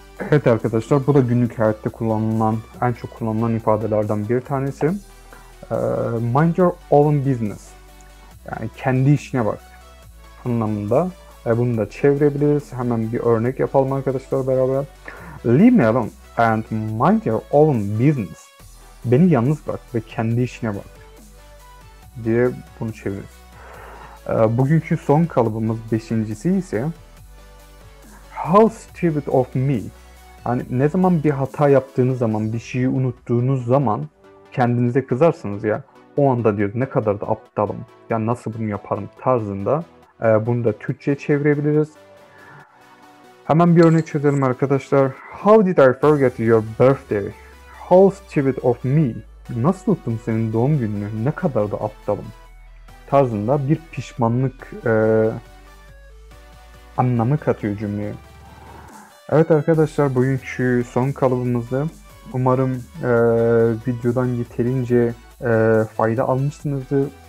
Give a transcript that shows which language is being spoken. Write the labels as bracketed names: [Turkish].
[Turkish] Evet arkadaşlar, bu da günlük hayatta kullanılan, en çok kullanılan ifadelerden bir tanesi. [English] Mind your own business. [Turkish] Yani kendi işine bak anlamında. Bunu da çevirebiliriz. Hemen bir örnek yapalım arkadaşlar beraber. [English] Leave me alone and mind your own business. [Turkish] Beni yalnız bırak ve kendi işine bak diye bunu çeviririz. Bugünkü son kalıbımız beşincisi ise [English] how stupid of me. [Turkish] Yani ne zaman bir hata yaptığınız zaman, bir şeyi unuttuğunuz zaman kendinize kızarsınız ya. O anda diyor ne kadar da aptalım. Ya nasıl bunu yaparım tarzında. Bunu da Türkçe'ye çevirebiliriz. Hemen bir örnek çözelim arkadaşlar. [English] How did I forget your birthday? How stupid of me. [Turkish] Nasıl unuttum senin doğum gününü? Ne kadar da aptalım. Tarzında bir pişmanlık anlamı katıyor cümleye. Evet arkadaşlar, bugünkü son kalıbımızdı. Umarım videodan yeterince fayda almışsınızdır.